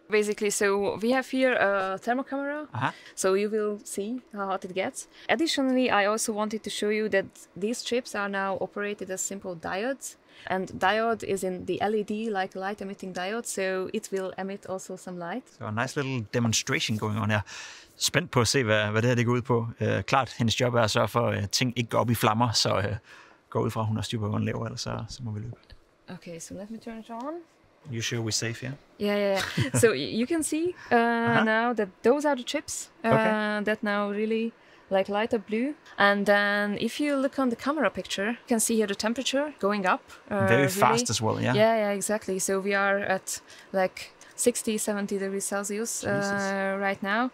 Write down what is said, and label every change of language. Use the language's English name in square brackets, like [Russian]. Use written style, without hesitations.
[English] Basically, so we have here a thermal camera, so you will see how hot it gets. Additionally, I also wanted to show you that these chips are now operated as simple diodes, and diode is in the LED, like light emitting diode, so it will emit also some light. So a nice little demonstration going on here. [Danish] Spændt på at se hvad det her det går ud på. Klart, hendes job er at sørge for at ting ikke går op i flammer, så går ud fra hun har styr på hvad hun laver, eller så må vi løbe. [English] Okay, so let me turn it on. You sure we're safe here? Yeah. So you can see now that those are the chips that now really like light up blue. And then if you look on the camera picture, you can see here the temperature going up. Very fast as well, yeah? Yeah, exactly. So we are at like 60, 70 degrees Celsius right now.